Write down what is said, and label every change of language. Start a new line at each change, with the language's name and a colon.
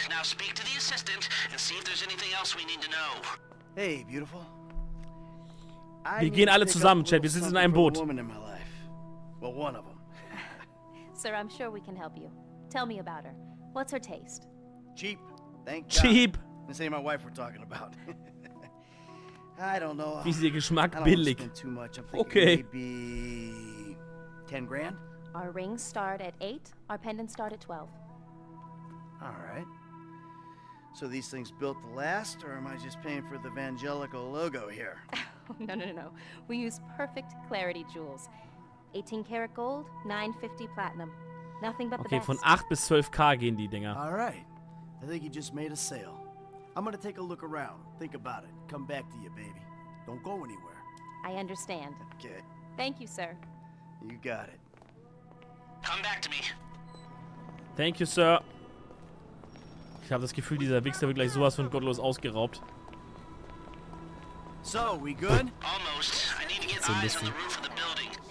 English: Now speak to the assistant and see if there's anything else we need to know. Hey, beautiful.
German: Wir gehen alle zusammen, Chat. Wir sitzen in einem Boot.
English: Well, one of them. Sir, I'm sure we can help you. Tell me about her. What's her taste? Cheap. Thank God. Cheap. This ain't my wife we're talking about. I don't know.
German: Wie ist ihr Geschmack? Billig.
English: Too much. I'm okay. Maybe 10 grand? Our rings start at 8. Our pendants start at 12. All right. So these things built the last, or am I just paying for the evangelical logo here? No, no, no, no. We use perfect clarity jewels. 18 karat gold, 950 platinum. Nothing but okay, the best.
German: Von 8 bis 12k gehen die Dinger.
English: All right. I think you just made a sale. I'm gonna take a look around. Think about it. Come back to you, baby. Don't go anywhere. I understand. Okay. Thank you, sir. You got it. Come back to me. Thank you, sir.
German: Ich habe das Gefühl, dieser Wichser wird gleich sowas von gottlos ausgeraubt.
English: So, we good? Almost. I need to get eyes on the roof of the building.